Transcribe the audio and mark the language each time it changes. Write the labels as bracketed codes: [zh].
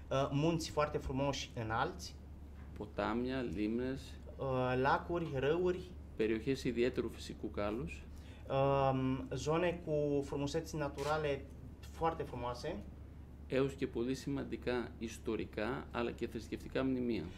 [ro] Munți foarte frumoși înalți. [el] Ποτάμια, λίμνες. [ro] Lacuri, râuri. [el] Περιοχές ιδιαίτερου φυσικού κάλους. [ro] Zone cu frumuseți naturale foarte frumoase. [el] Έως και πολύ σημαντικά ιστορικά αλλά και θρησκευτικά μνημεία.